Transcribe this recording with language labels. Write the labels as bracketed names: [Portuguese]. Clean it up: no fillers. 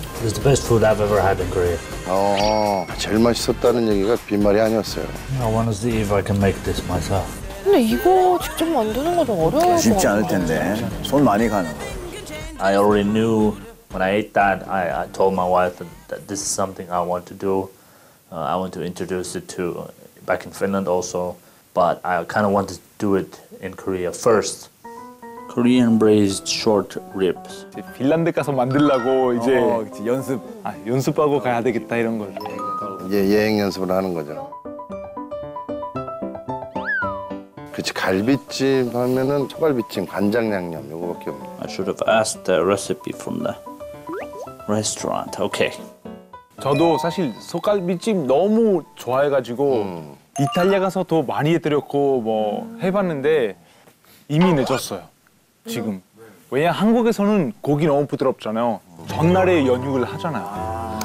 [English] It was the best food I've ever had in Korea. [Korean] 제일 맛있었다는 얘기가 빈말이 아니었어요. [English] I want to see if I can make this myself. [Korean] 근데 이거 직접 만드는 거 좀 어려워. 쉽지 않을 텐데. 손 많이 가는 거. [English] I already knew when I ate that, I told my wife that this is something I want to do. I want to introduce it to back in Finland also. But I kind of want to do it in Korea first. Korean braised short ribs. [Korean] 이제 핀란드 가서 만들려고 이제 연습. 연습하고 가야 되겠다 이런 거죠. 예, 예행 연습을 하는 거죠. 그렇지, 갈비찜 하면은 초갈비찜, 간장 양념 요거밖에 없네. [English] I should have asked the recipe from the restaurant. Okay. [Korean] 저도 사실 소갈비찜 너무 좋아해가지고 이탈리아 가서 더 많이 해드렸고 뭐 해봤는데 이미 늦었어요. 지금. 왜냐, 한국에서는 고기 너무 부드럽잖아요. 전날에 연육을 하잖아요.